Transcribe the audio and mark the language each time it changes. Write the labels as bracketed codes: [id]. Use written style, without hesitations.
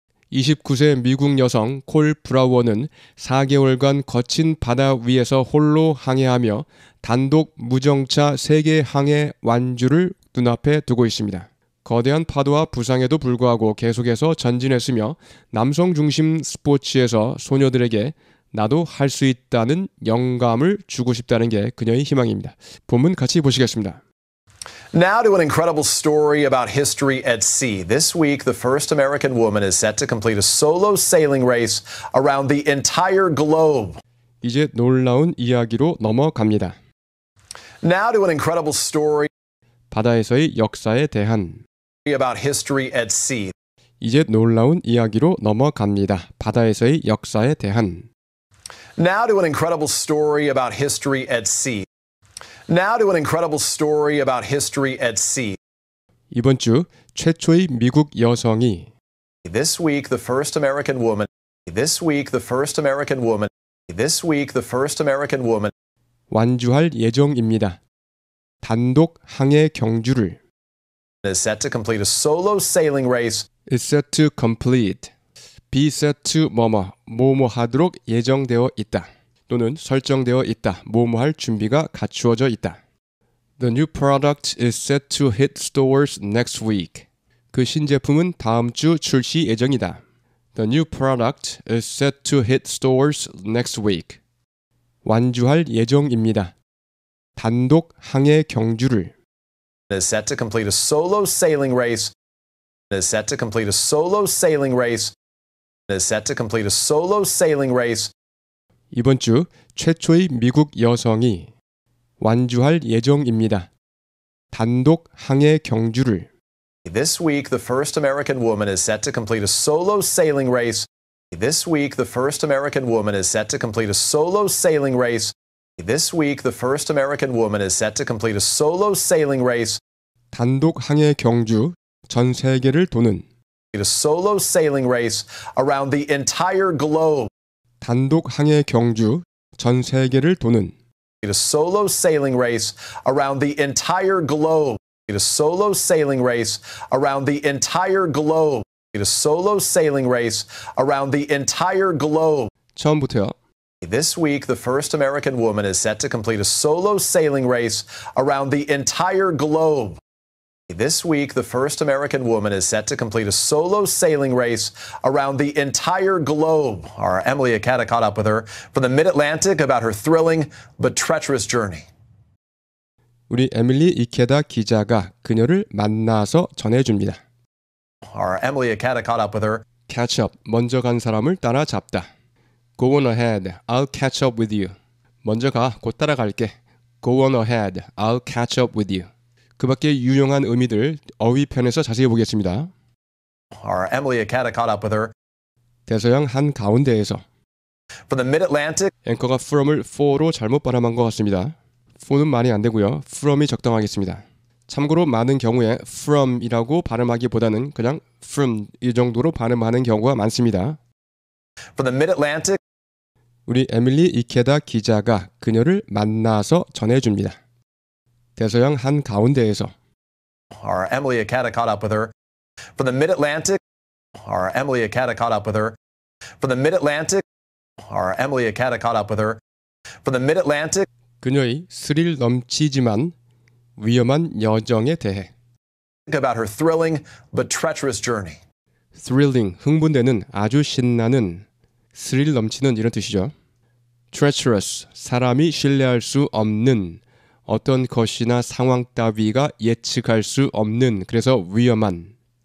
[ko] 29세 미국 여성 콜 브라우어는 4개월간 거친 바다 위에서 홀로 항해하며 단독 무정차 세계 항해 완주를 눈앞에 두고 있습니다. 거대한 파도와 부상에도 불구하고 계속해서 전진했으며 남성 중심 스포츠에서 소녀들에게 나도 할 수 있다는 영감을 주고 싶다는 게 그녀의 희망입니다. 본문 같이 보시겠습니다. [en] Now to an incredible story about history at sea. This week, the first American woman is set to complete a solo sailing race around the entire globe. [ko] 이제 놀라운 이야기로 넘어갑니다. [en] Now to an incredible story [ko] 바다에서의 역사에 대한 [en] about history at sea. [ko] 이제 놀라운 이야기로 넘어갑니다. 바다에서의 역사에 대한 [en] Now to an incredible story about history at sea. Now to an incredible story about history at sea. [ko] 이번 주 최초의 미국 여성이 [en] This week the first American woman. This week the first American woman. This week the first American woman. [ko] 완주할 예정입니다. 단독 항해 경주를 [en] is set to complete a solo sailing race. is set to complete. be set to [ko] 뭐뭐, 뭐뭐 하도록 예정되어 있다. 또는 설정되어 있다. 뭐뭐 할 준비가 갖추어져 있다. [en] The new product is set to hit stores next week. [ko] 그 신제품은 다음 주 출시 예정이다. [en] The new product is set to hit stores next week. [ko] 완주할 예정입니다. 단독 항해 경주를 [en] is set to complete a solo sailing race. is set to complete a solo sailing race. is set to complete a solo sailing race. [ko] 이번 주 최초의 미국 여성이 완주할 예정입니다. 단독 항해 경주를 [en] This week the first American woman is set to complete a solo sailing race. This week the first American woman is set to complete a solo sailing race. This week the first American woman is set to complete a solo sailing race. [ko] 단독 항해 경주 전 세계를 도는 [en] A solo sailing race around the entire globe. [ko] 단독 항해 경주 전 세계를 도는 [en] A solo sailing race around the entire globe. A solo sailing race around the entire globe. A solo sailing race around the entire globe. [ko] 처음부터요. [en] This week, the first American woman is set to complete a solo sailing race around the entire globe. This week, the first American woman is set to complete a solo sailing race around the entire globe. Our Emily Akata caught up with her from the Mid-Atlantic about her thrilling but treacherous journey. [ko] 우리 에밀리 이케다 기자가 그녀를 만나서 전해줍니다. [en] Our Emily Akata caught up with her. Catch up, [ko] 먼저 간 사람을 따라잡다. [en] Go on ahead, I'll catch up with you. [ko] 먼저 가, 곧 따라갈게. [en] Go on ahead, I'll catch up with you. [ko] 그 밖에 유용한 의미들 어휘 편에서 자세히 보겠습니다. [en] Our Emily Akata caught up with her. [ko] 대서양 한 가운데에서 [en] From the mid-Atlantic [ko] 앵커가 from을 for로 잘못 발음한 것 같습니다. for는 말이 안 되고요. from이 적당하겠습니다. 참고로 많은 경우에 from이라고 발음하기보다는 그냥 from 이 정도로 발음하는 경우가 많습니다. [en] From the mid-Atlantic [ko] 우리 에밀리 이케다 기자가 그녀를 만나서 전해줍니다. 대서양 한 가운데에서 [en] Our Emily Akata caught up with her from the mid-Atlantic Our Emily Akata caught up with her from the mid-Atlantic Our Emily Akata caught up with her from the mid-Atlantic [ko] 그녀의 스릴 넘치지만 위험한 여정에 대해 [en] Think about her thrilling but treacherous journey. [ko] Thrilling, 흥분되는, 아주 신나는, 스릴 넘치는 이런 뜻이죠. Treacherous, 사람이 신뢰할 수 없는 어떤 것이나 상황 따위가 예측할 수 없는, 그래서 위험한.